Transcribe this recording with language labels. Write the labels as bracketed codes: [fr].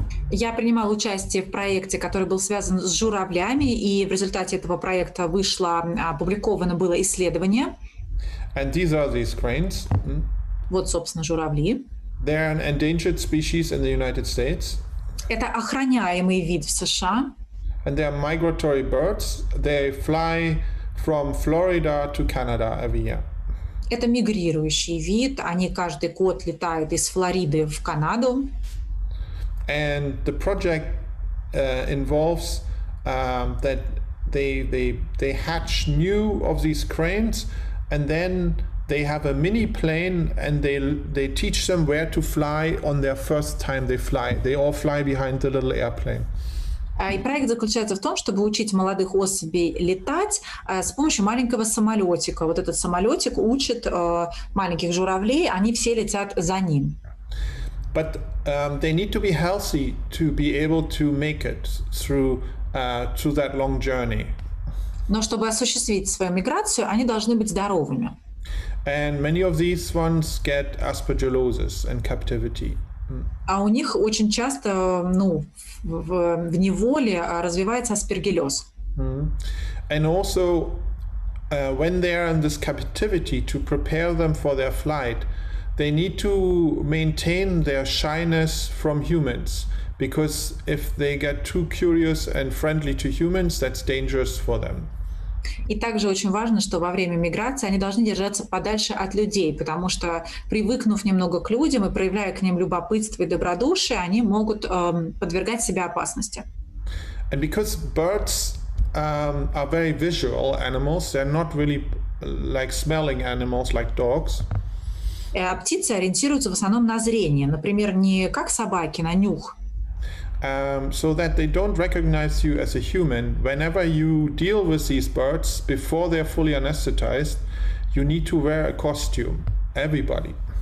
[ru] Я принимал участие в проекте, который был связан с журавлями, и в результате этого проекта вышло, опубликовано было исследование. [en] And these are these cranes. [ru] Вот, собственно, журавли. [en] They're an endangered species in the United States. [ru] Это охраняемый вид в США. [en] And they are migratory birds. They fly from Florida to Canada every year. [ru] Это мигрирующий вид. Они каждый год летают из Флориды в Канаду. [en] And the project involves that they hatch new of these cranes, and then they have a mini plane, and they teach them where to fly on their first time they fly. They all fly behind the little airplane. [ru] И проект заключается в том, чтобы учить молодых особей летать с помощью маленького самолетика. Вот этот самолетик учит маленьких журавлей, они все летят за ним. [en] But they need to be healthy to be able to make it through that long journey. [ru] Но чтобы осуществить свою миграцию, они должны быть здоровыми. [en] And many of these ones get aspergillosis in captivity. [ru] А у них очень часто, ну, в неволе развивается аспергиллез. [en] And also, when they are in this captivity, to prepare them for their flight, they need to maintain their shyness from humans, because if they get too curious and friendly to humans, that's dangerous for them. [ru] И также очень важно, что во время миграции они должны держаться подальше от людей, потому что, привыкнув немного к людям и проявляя к ним любопытство и добродушие, они могут подвергать себя опасности. [en] And because birds are very visual animals, they're not really like smelling animals like dogs. [ru] Птицы ориентируются в основном на зрение, например, не как собаки, на нюх. [en] So that they don't recognize you as a human. Whenever you deal with these birds before they're fully anesthetized, you need to wear a costume, everybody.